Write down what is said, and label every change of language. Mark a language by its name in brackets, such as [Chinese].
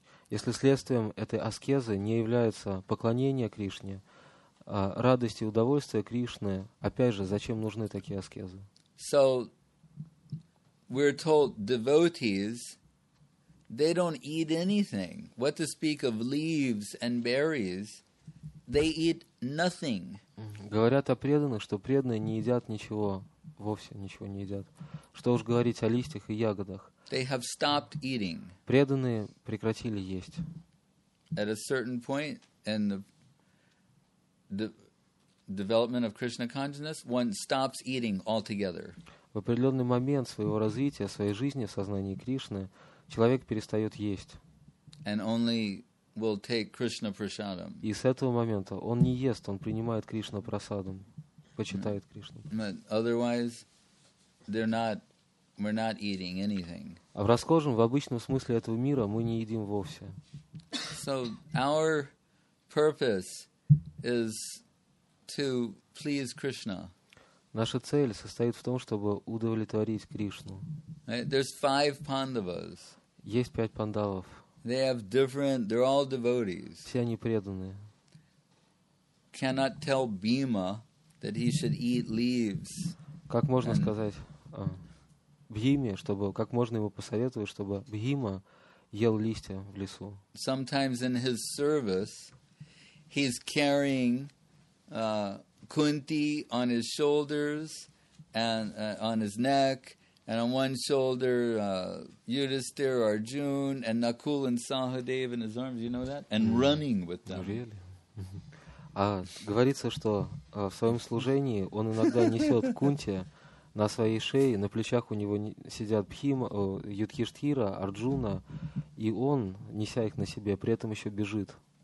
[Russian] если следствием этой аскезы не является поклонение Кришне, радость и удовольствие Кришны, опять же, зачем нужны такие аскезы? [English] So, we're told devotees, they don't eat anything. What to speak of leaves and berries, they eat nothing. [Russian] Говорят о преданных, что преданные не едят ничего, вовсе ничего не едят. Что уж говорить о листьях и ягодах. [English] They have stopped eating. [Russian] Преданные прекратили есть. [English] At a certain point in the development of Krishna consciousness, one stops eating altogether. [Russian] В определенный момент своего развития, своей жизни в сознании Кришны, человек перестает есть. [English] And only will take Krishna prasadam. [Russian] И с этого момента он не ест, он принимает Кришна прасадам, почитает Кришну. [English] But otherwise, they're not, we're not eating anything. [Russian] А в расхожем, в обычном смысле этого мира мы не едим вовсе. [English] So our purpose is to please Krishna. [Russian] Наша цель состоит в том, чтобы удовлетворить Кришну. [English] Right? There's five Pandavas. [Russian] Есть пять пандавов. [English] They have different, they're all devotees. [Russian] Все они преданные. [English] Cannot tell Bhima that he should eat leaves. [Russian] Как можно сказать Бхиме, чтобы, как можно ему посоветовать, чтобы Бхима ел листья в лесу? [English] Sometimes in his service he's carrying Kunti on his shoulders and on his neck, and on one shoulder Yudhisthira, Arjuna, and Nakul and Sahadev in his arms. You know that? And running with them. Really? [Russian] А говорится, что в своем служении он иногда несет Кунти на своей шее, на плечах у него сидят Бхима, Юдхиштхира, Арджуна, и он, неся их на себе, при этом еще бежит.